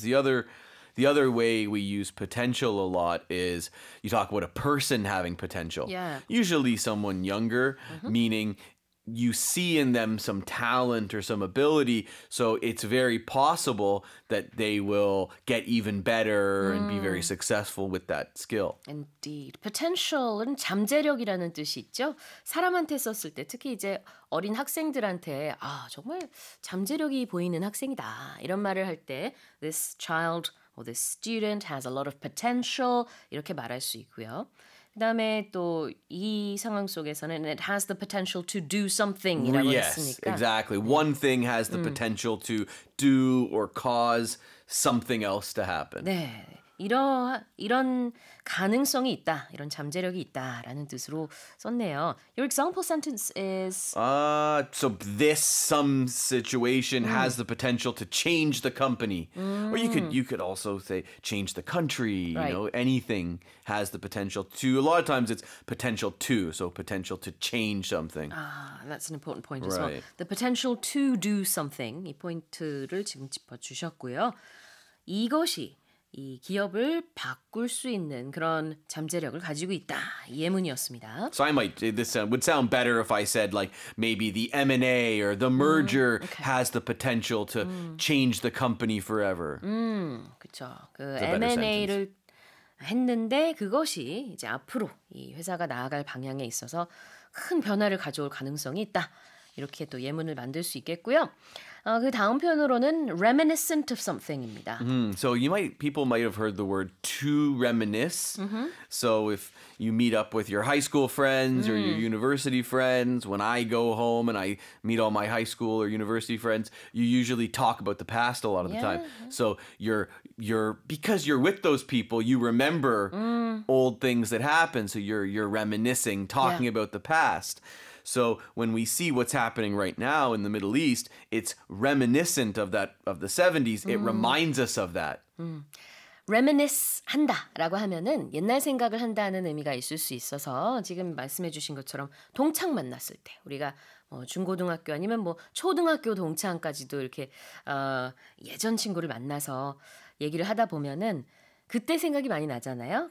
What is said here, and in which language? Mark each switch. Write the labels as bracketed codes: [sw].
[en] The other way we use potential a lot is you talk about a person having potential. Yeah. Usually someone younger, meaning you see in them some talent or some ability, so it's very possible that they will get even better and be very successful with that skill. Indeed. [ko] Potential은 잠재력이라는 뜻이 있죠. 사람한테 썼을 때, 특히 이제 어린 학생들한테 아, 정말 잠재력이 보이는 학생이다. 이런 말을 할 때 [en] this child or this student has a lot of potential [ko] 이렇게 말할 수 있고요. 그 다음에 또 이 상황 속에서는 [en] it has the potential to do something [ko] 이라고 했으니까. [en] Yes, exactly. One thing has the potential to do or cause something else to happen. [ko] 네. 이런 가능성이 있다. 이런 잠재력이 있다라는 뜻으로 썼네요. [en] Your example sentence is so this some situation has the potential to change the company. Or you could also say change the country, you know, anything has the potential to. A lot of times it's potential to, so potential to change something. That's an important point as well. The potential to do something. [ko] 이 포인트를 지금 짚어 주셨고요. 이것이 이 기업을 바꿀 수 있는 그런 잠재력을 가지고 있다. 이 예문이었습니다. [en] So I might, this would sound better if I said like maybe the M&A or the merger has the potential to change the company forever. [ko] 그렇죠. 그 M&A를 했는데 그것이 이제 앞으로 이 회사가 나아갈 방향에 있어서 큰 변화를 가져올 가능성이 있다. 이렇게 또 예문을 만들 수 있겠고요. 그 다음 표현으로는 [en] reminiscent of something [ko] 입니다. [en] So people might have heard the word to reminisce. Mm-hmm. So if you meet up with your high school friends or your university friends, when I go home and I meet all my high school or university friends, you usually talk about the past a lot of the time. So you're because you're with those people, you remember old things that happened. So you're reminiscing, talking about the past. So when we see what's happening right now in the Middle East, it's reminiscent of that of the 70s. It reminds us of that. [ko] Reminisce 한다라고 하면은 옛날 생각을 한다는 의미가 있을 수 있어서 지금 말씀해 주신 것처럼 동창 만났을 때 우리가 뭐 중고등학교 아니면 뭐 초등학교 동창까지도 이렇게 예전 친구를 만나서 얘기를 하다 보면은 그때 생각이 많이 나잖아요.